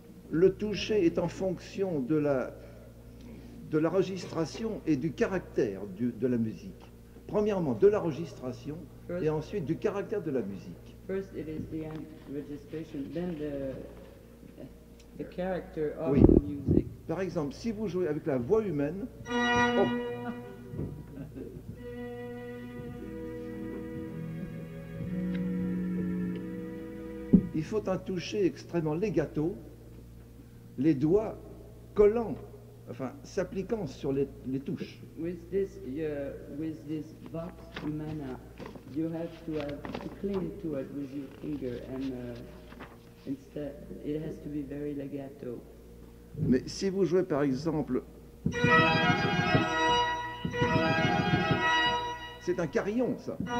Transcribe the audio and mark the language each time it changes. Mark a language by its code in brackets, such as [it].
[fr] Le toucher est en fonction de la registration et du caractère de la musique. Premièrement, de la registration et ensuite du caractère de la musique. [en] First, it is the registration, then the character of [fr] oui. [en] the music. [fr] Par exemple, si vous jouez avec la voix humaine. Oh. Il faut un toucher extrêmement legato, les doigts collant, enfin s'appliquant sur les touches. [en] With this, with this vox humana, you have to have to cling to it with your finger, and instead it has to be very legato. [fr] Mais si vous jouez par exemple, c'est un carillon, ça.